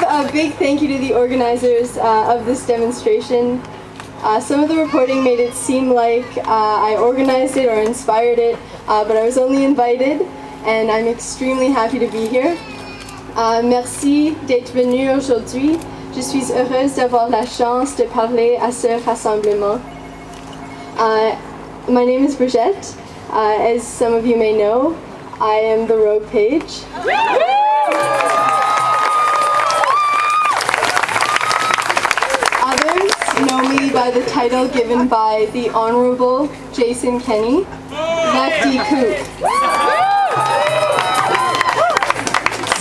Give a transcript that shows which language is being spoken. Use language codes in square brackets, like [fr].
[en] big thank you to the organizers of this demonstration. Some of the reporting made it seem like I organized it or inspired it, but I was only invited, and I'm extremely happy to be here. [fr] Merci d'être venu aujourd'hui. Je suis heureuse d'avoir la chance de parler à ce rassemblement. [en] My name is Brigette. As some of you may know, I am the rogue page. Others know me by the title given by the Honorable Jason Kenney, Lefty Cook.